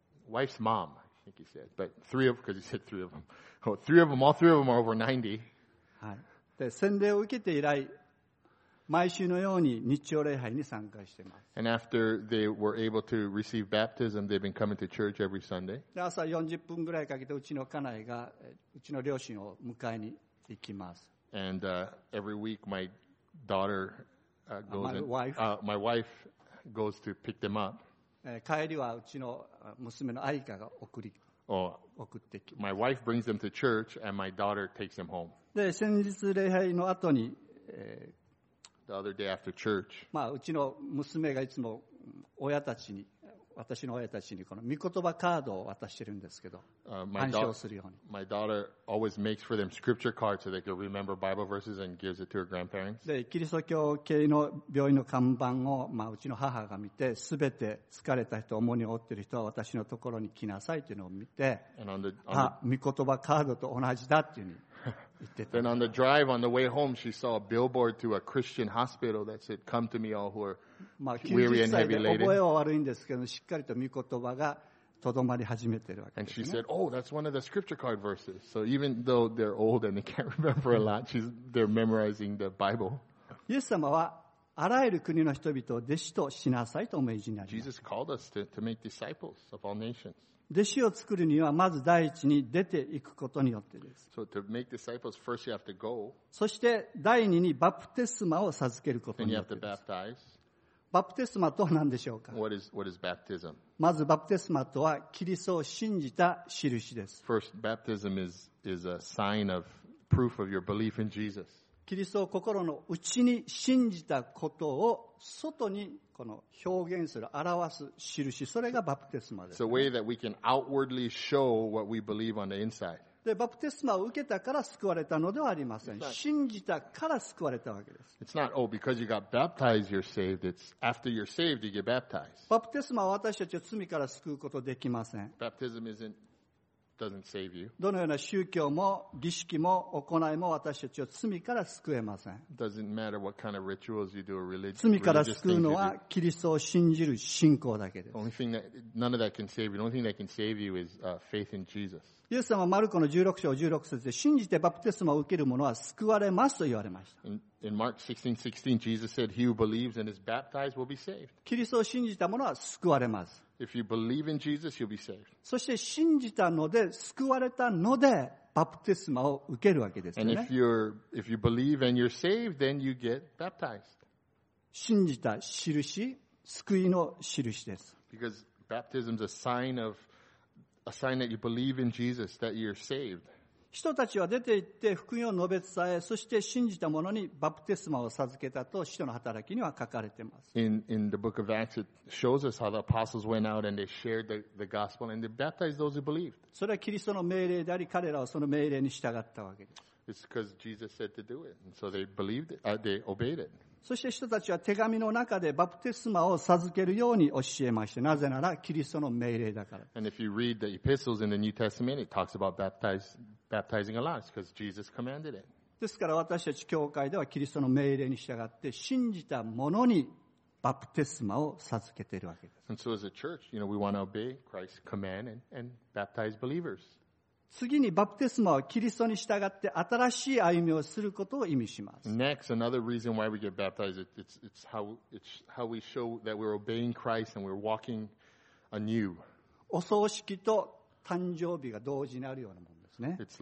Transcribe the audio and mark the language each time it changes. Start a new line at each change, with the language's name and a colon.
English: wife's mom, I think he said, but three of, because he said three of them. Oh, three of them, all three of them are over 90.
Japanese: はい。で、洗礼を受けて以来、毎週のように日曜礼拝に参加しています。
English: And after they were able to receive baptism, they've been coming to church every Sunday.
Japanese: 朝40分ぐらいかけてうちの家内がうちの両親を迎えに行きます。
English: And every week my daughter goes. My wife goes to pick them up.
Japanese: 帰りはうちの娘の愛香が送ってきます。
English: My wife brings them to church, and my daughter takes them home.
Japanese: で先日礼拝の後に。
English: The other day after church.
Japanese: まあうちの娘がいつも親たちに私の親たちにこの御言葉カードを渡してるんですけど、暗唱するように。
English: My daughter always makes for them scripture cards so they can remember Bible verses and gives it to her grandparents.
Japanese: でキリスト教系の病院の看板をまあうちの母が見て、すべて疲れた人、重荷を負っている人は私のところに来なさいというのを見て、あ、御言葉カードと同じだっていうふうに。
English: Then on the drive on the way home, she saw a billboard to a Christian hospital that said, "Come to me, all who are weary and heavy laden."
Japanese: 覚えは悪いんですけど、しっかりと御言葉がとどまり始めてるわけですね。
English: And she said, "Oh, that's one of the scripture card verses." So even though they're old and they can't remember a lot, they're memorizing the Bible.
Japanese: イエス様はあらゆる国の人々を弟子としなさいとお命じになります。
English: Jesus called us to make disciples of all nations.
Japanese: 弟子を作るにはまず第一に出て行くことによってです。
English: So to make disciples, first you have to go.
Japanese: そして第二にバプテスマを授けることによってです。
English: Then you have to baptize.
Japanese: バプテスマとは何でしょうか。
English: What is baptism?
Japanese: まずバプテスマとはキリストを信じた印です。
English: First, baptism is a sign of proof of your belief in Jesus.
Japanese: キリストを心の内に信じたことを外にこの表現する表す印、それがバプテスマです。
English: It's a way that we can outwardly show what we believe on the inside.
Japanese: で、バプテスマを受けたから救われたのではありません。信じたから救われたわけです。
English: It's not, oh, because you got baptized, you're saved. It's after you're saved, you get baptized.
Japanese: バプテスマは私たちを罪から救うことできません。
English: Baptism doesn't save you.
Japanese: どのような宗教も儀式も行いも私たちを罪から救えません。
English: Doesn't matter what kind of rituals you do or religious things.
Japanese: 罪から救うのはキリストを信じる信仰だけです。
English: Only thing that none of that can save you. The only thing that can save you is faith in Jesus.
Japanese: イエス様はマルコの16章16節で信じてバプテスマを受ける者は救われますと言われました。
English: In Mark 16:16, Jesus said, "He who believes and is baptized will be saved."
Japanese: キリストを信じた者は救われます。
English: If you believe in Jesus, you'll be saved.
Japanese: そして信じたので救われたのでバプテスマを受けるわけですよね。
English: And if you believe and you're saved, then you get baptized.
Japanese: 信じた印、救いの印です。
English: Because baptism is a sign that you believe in Jesus, that you're saved.
Japanese: 人たちは出て行って福音を述べ伝え、そして信じた者にバプテスマを授けたと使徒の働きには書かれています。
English: In the book of Acts, it shows us how the apostles went out and they shared the gospel and they baptized those who believed.
Japanese: それはキリストの命令であり、彼らはその命令に従ったわけです。
English: It's because Jesus said to do it, and so they believed it, they obeyed it.
Japanese: そして人たちは手紙の中でバプテスマを授けるように教えました。なぜならキリストの命令だから。
English: And if you read the epistles in the New Testament, it talks about baptizing a lot, because Jesus commanded it.
Japanese: ですから私たち教会ではキリストの命令に従って信じた者にバプテスマを授けているわけです。
English: And so as a church, you know, we want to obey Christ's command and baptize believers.
Japanese: 次にバプテスマはキリストに従って新しい歩みをすることを意味します。
English: Next, another reason why we get baptized, it's how we show that we're obeying Christ and we're walking anew.
Japanese: お葬式と誕生日が同時にあるようなものですね。